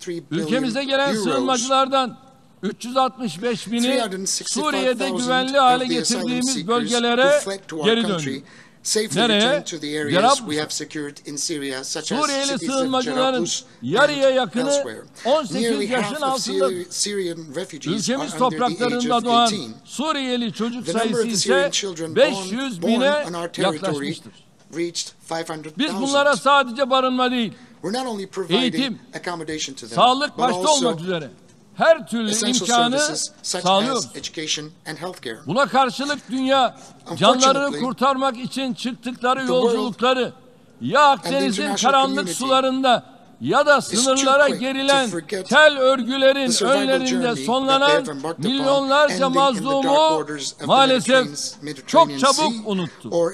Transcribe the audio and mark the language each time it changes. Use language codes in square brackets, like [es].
[tr] Ülkemize gelen sığınmacılardan 365 bini Suriye'de güvenli hale getirdiğimiz bölgelere geri dönüyor. [en] safely returned to the areas we have secured in Syria, such as cities of Jarabus and elsewhere. Nearly half of Syrian refugees are under the age of 18. The number of Syrian children born on our territory reached 500,000. We're not only providing accommodation to them, but also [tr] her türlü imkanı sağlıyor. [en] Education and healthcare. [tr] Buna karşılık dünya canlarını kurtarmak için çıktıkları yolculukları ya Akdeniz'in karanlık sularında ya da sınırlara gerilen tel örgülerin önlerinde sonlanan milyonlarca mazlumu maalesef çok çabuk unuttu.